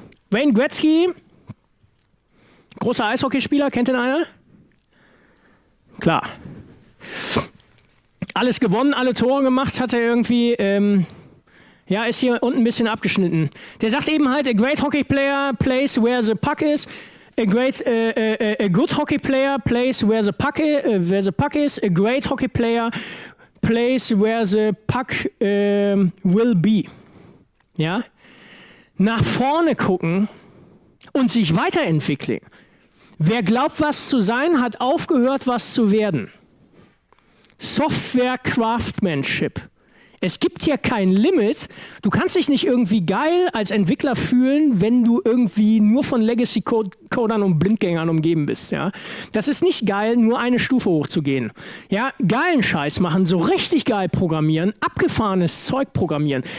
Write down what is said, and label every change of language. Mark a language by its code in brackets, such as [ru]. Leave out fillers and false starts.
[de] Wayne Gretzky, großer Eishockeyspieler, kennt ihn einer? Klar. Alles gewonnen, alle Tore gemacht, hat er irgendwie, ja, ist hier unten ein bisschen abgeschnitten. Der sagt eben halt, [en] a great hockey player plays where the puck is. A good hockey player plays where the puck is. A great hockey player place where the puck will be. Ja? [de] Nach vorne gucken und sich weiterentwickeln. Wer glaubt, was zu sein, hat aufgehört, was zu werden. Software Craftsmanship. Es gibt hier kein Limit. Du kannst dich nicht irgendwie geil als Entwickler fühlen, wenn du irgendwie nur von Legacy-Codern und Blindgängern umgeben bist. Ja? Das ist nicht geil, nur eine Stufe hochzugehen. Ja, geilen Scheiß machen, so richtig geil programmieren, abgefahrenes Zeug programmieren.